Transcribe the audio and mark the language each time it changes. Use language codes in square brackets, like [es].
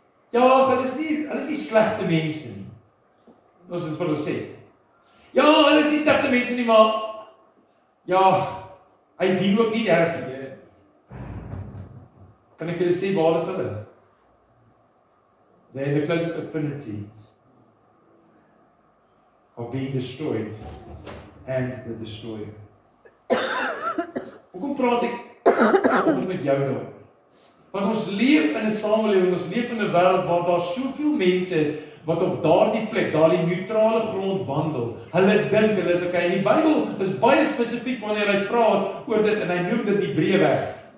[af] Ja, hulle is nie slegte mense nie. Ons het vir hulle sê. Ja, hulle is nie slegte mense nie, maar ja, hy dien ook nie die Here nie. Kan ek julle sê waar is hulle? [en] They have the closest affinities of being destroyed and the destroyer. [af] Hoekom praat ek met jou nou? Want ons leef in 'n samelewing, ons leef in 'n wêreld waar daar soveel mense is wat op daardie plek, daardie neutrale grond wandel. Hulle dink hulle is okay. En die Bybel is baie spesifiek wanneer hy praat oor dit en hy noem dit die breë weg.